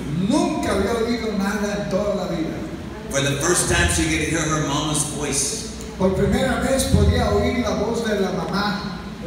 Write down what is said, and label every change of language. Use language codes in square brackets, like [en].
[es] Nunca había oído nada en toda la vida. [en] For the first time she could hear her mama's voice. [es] Por primera vez podía oír la voz de la mamá.